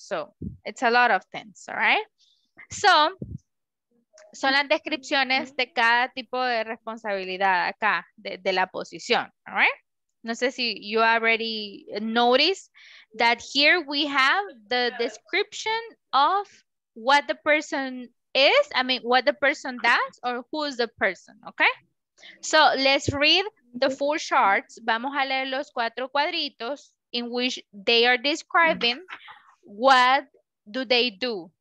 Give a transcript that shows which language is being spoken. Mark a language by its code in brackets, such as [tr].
[en] So, it's a lot of things, all right? [es] So, son las descripciones de cada tipo de responsabilidad acá, de la posición, [en] all right? [es] No sé si [en] you already noticed that here we have the description of what the person is, I mean, what the person does or who is the person, okay? So, let's read the four charts. [es] Vamos a leer los cuatro cuadritos [en] in which they are describing what do they do.